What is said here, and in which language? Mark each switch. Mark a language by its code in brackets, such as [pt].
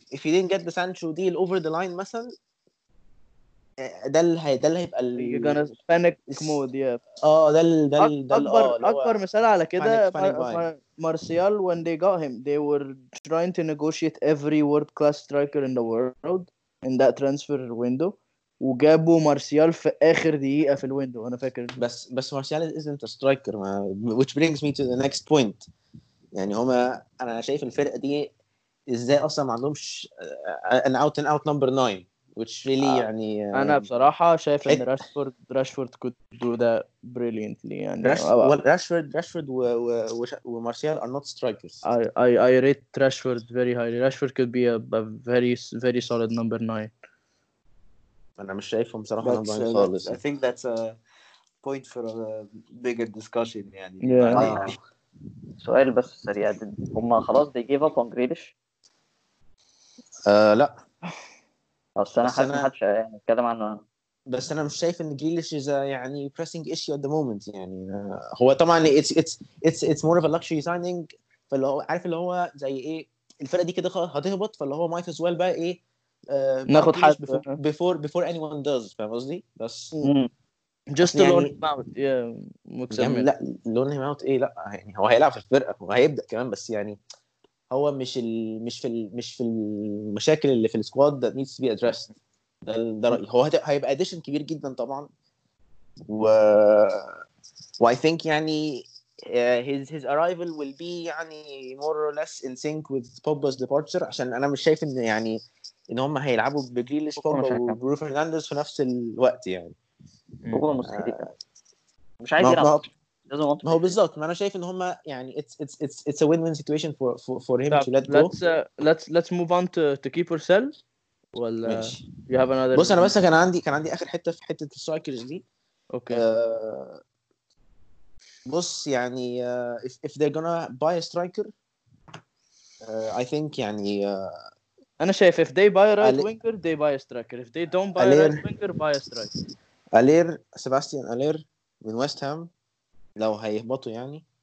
[en] if you didn't get the Sancho deal over the line [ar] مثلا ده اللي هيبقى [en] you're gonna panic mode. [ar] yeah ده اكبر مثال على كده. [en] Martial when they got him they were trying to negotiate every world class striker in the world in that transfer window, [ar] وجابوا مارسيال في اخر دقيقه في الويندو انا فاكر. [en] بس Martial isn't a striker, which brings me to the next point. [ar] يعني هما انا شايف الفرقه دي ازاي اصلا ما عندهمش [en] an out and out number 9 which really [ar] يعني انا بصراحه شايف ان راشفورد [en] could do that brilliantly. [ar] يعني [en] Rashford ومارسيال are not strikers. I rate Rashford very highly. Rashford could be a very very solid number 9. [ar] انا مش شايفهم صراحه خالص. [en] I think that's a point for a bigger discussion. [ar] يعني سؤال بس سريع, هم خلاص they gave up on Grealish؟ لا بس انا حاسس محدش اتكلم عنه. بس انا مش شايف ان [en] Grealish is a يعني pressing issue at the moment. [ar] يعني هو طبعا [en] it's more of a luxury signing, [ar] فاللي هو عارف اللي هو زي ايه الفرقه دي كده هتهبط, فاللي هو [en] might as well [ar] بقى ايه ناخد حد [en] before anyone does. [ar] فاهم قصدي؟ بس [en] just يعني loan him out. [ar] ايه لا يعني هو هيلعب في الفرقه وهيبدا كمان, بس يعني هو مش في المشاكل اللي في السكواد [en] that needs to be addressed. [ar] ده رايي. هو هيبقى addition كبير جدا طبعا, و [en] I think [ar] يعني [en] his arrival will be [ar] يعني [en] more or less in sync with Pogba's departure, [ar] عشان انا مش شايف ان يعني ان هم هيلعبوا بجريليش بوجبا وبرو فرنانديز في نفس الوقت. يعني بوجبا مستحيل مش عايز يلعب. لازم بالظبط. ما انا شايف ان هم يعني [en] it's a win-win situation for him to let go. let's move on to keep ourselves [ar] ولا [en] you have another. [ar] بص انا بس كان عندي اخر حته في حته السايكلز دي. بص يعني [en] if they're gonna buy a striker I think يعني [ar] انا شايف [en] if they buy a right winger they buy a striker, if they don't buy Allaire, a right winger buy a striker. [ar] Allaire, Sebastian Allaire من West Ham لو هيهبطوا يعني.